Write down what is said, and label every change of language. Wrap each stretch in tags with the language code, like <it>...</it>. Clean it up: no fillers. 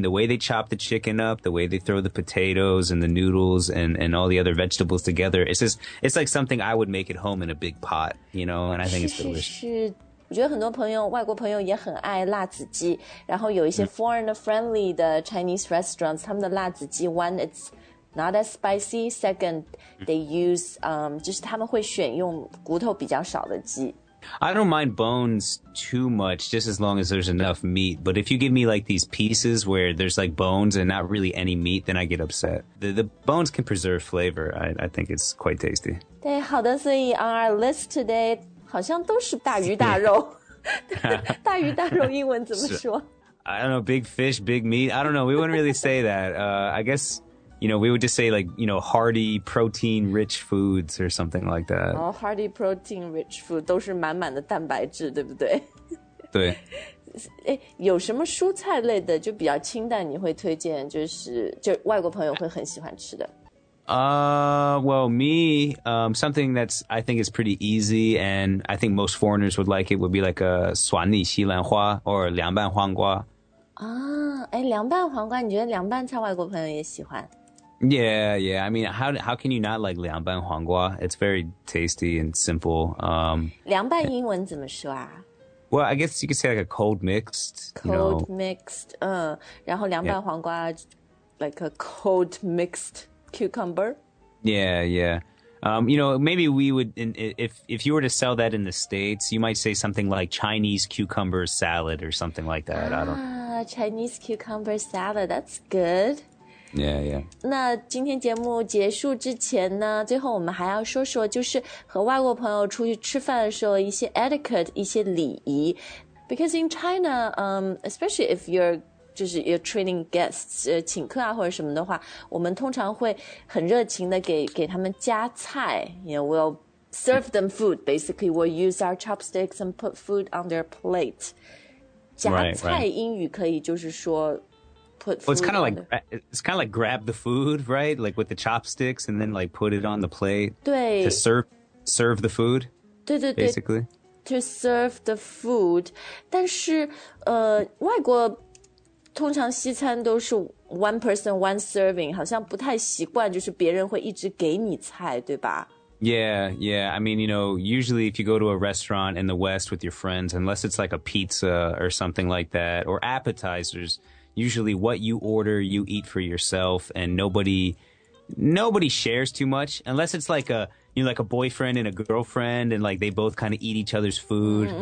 <en>The way they chop the chicken up, the way they throw the potatoes and the noodles and all the other vegetables together, it's like something I would make at home in a big pot, you know, and I think it's delicious.</en> <zh>我觉得很多朋友外国朋友也很爱辣子鸡然后有一些</zh> <en>foreign friendly</en> <zh>的</zh> <en>Chinese restaurants</en> <zh>他们的辣子鸡</zh> <en>one it's not as spicy second they use</en> <zh>就是他们会选用骨头比较少的鸡</zh> <en>I don't mind bones too much just as long as there's enough meat but if you give me like these pieces where there's like bones and not really any meat then I get upset the bones can preserve flavor I think it's quite tasty</en> <zh>对好的所以</zh> <en>on our list today</en> <zh>好像都是大鱼大肉大鱼大肉英文怎么说</zh> <en>I don't know, big fish, big meat. I don't know, we wouldn't really say that. I guess, you know, we would just say like, you know, hearty protein rich foods or something like that. Oh, hearty protein rich food,</en> <zh>都是满满的蛋白质,对不对? 对。有什么蔬菜类的就比较清淡你会推荐就外国朋友会很喜欢吃的。</zh> <en>Well, me, something that's, I think is pretty easy and I think most foreigners would like it would be like a 蒜泥西兰花 or 凉拌黄瓜.</en> <zh>Ah, 凉拌黄瓜,你觉得凉拌菜外国朋友也喜欢?</zh> <en>Yeah, I mean, how can you not like 凉拌黄瓜? It's very tasty and simple.</en> <zh>凉拌英文怎么说啊?</zh> <en>Well, I guess you could say like a cold mixed, Cold mixed,</en> <zh>然后凉拌黄瓜,</zh> <en>like a cold mixed. Cucumber? Yeah. You know, maybe we would, if you were to sell that in the States, you might say something like Chinese cucumber salad or something like that. Chinese cucumber salad, that's good. Yeah.</en> <zh>那今天节目结束之前呢,最后我们还要说说就是和外国朋友出去吃饭的时候一些</zh> <en>etiquette,</en> <zh>一些礼仪。</zh> <en>Because in China, especially if you're,</en> <zh>就是</zh> <en>you're training guests,</en> <zh>请客啊或者什么的话我们通常会很热情的给他们加菜</zh> <en>you know, we'll serve them food, basically we'll use our chopsticks and put food on their plate.</en> <zh>加菜英语可以就是说</zh> <en>put food on their plate. It's kind of like grab the food, right? Like with the chopsticks and then like put it on the plate.</en> <zh>对</zh> <en>to serve the food,</en> <zh>对对对</zh> <en>basically. To serve the food.</en> <zh>但是外国通常西餐都是</zh> <en>one person, one serving,</en> <zh>好像不太习惯就是别人会一直给你菜对吧</zh> <en>Yeah. I mean, you know, usually if you go to a restaurant in the West with your friends, unless it's like a pizza or something like that, or appetizers, usually what you order, you eat for yourself, and nobody shares too much, unless it's like a, you know, like a boyfriend and a girlfriend, and like they both kind of eat each other's food.</en>